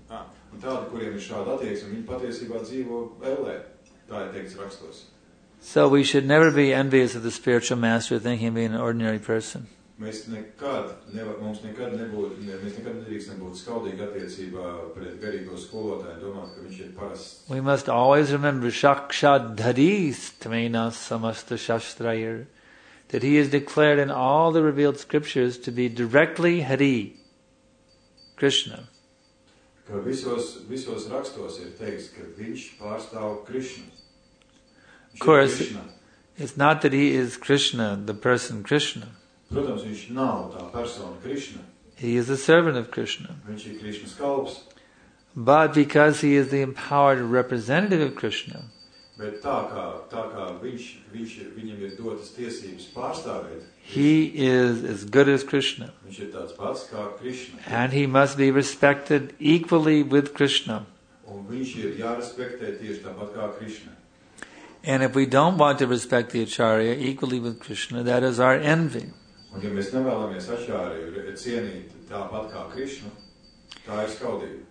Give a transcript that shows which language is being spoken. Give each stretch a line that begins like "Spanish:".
Latvian: Un tādi, kuriem ir šāda attieksme, viņi patiesībā dzīvo ellē. Tā ir teikts rakstos.
English: So we should never be envious of the spiritual master, thinking of being an ordinary person.
Latvian: Mēs nekad nevar, mums nekad nebūt, ne, mēs nekad nedrīkst nebūt skaudīgi attiecībā pret garīgo skolotāju, domāt, ka viņš ir parasts.
English: We must always remember
Sanskrit: Shakshat Dharis Tmena Samasta Shastrayer,
English: that he is declared in all the revealed scriptures to be directly Hari, Krishna.
Latvian: Ka visos rakstos ir teiks, ka viņš pārstāv Krishna.
English: Of course, it's not that he is Krishna, the person Krishna.
Latvian: Protams, viņš nav tā persona Krishna.
English: He is a servant of Krishna.
Latvian: Viņš ir Krishna kalps.
English: But because he is the empowered representative of Krishna,
Latvian: bet tā kā viņam ir dotas tiesības pārstāvēt,
English: he is as good as Krishna.
Latvian: Viņš ir tāds pats kā Krishna.
English: And he must be respected equally with Krishna.
Latvian: Un viņš ir jārespektē tieši tāpat kā Krishna.
English: And if we don't want to respect the Acharya equally with Krishna, that is our envy.
Latvian: Un ja mēs nevēlamies Acharya cienīt tāpat kā Krishna, tā ir skaudība.